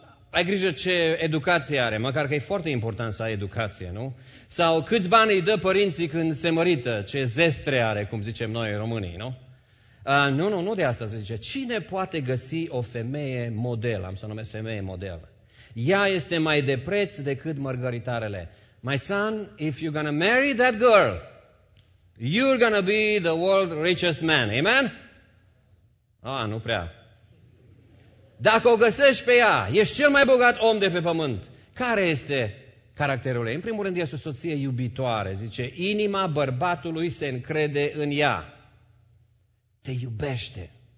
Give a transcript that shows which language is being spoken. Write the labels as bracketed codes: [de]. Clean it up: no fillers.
[ro] Ai grijă ce educație are, măcar că e foarte important să ai educație, nu? Sau câți bani îi dă părinții când se mărită, ce zestre are, cum zicem noi românii, nu? Nu de asta se zice. Cine poate găsi o femeie model? Am să o numesc femeie model. Ea este mai de preț decât mărgăritarele. [en] My son, if you're gonna marry that girl, you're gonna be the world's richest man. [ro] Amen? Nu prea. Dacă o găsești pe ea, ești cel mai bogat om de pe pământ. Care este caracterul ei? În primul rând, este o soție iubitoare. Zice, inima bărbatului se încrede în ea. Te iubește.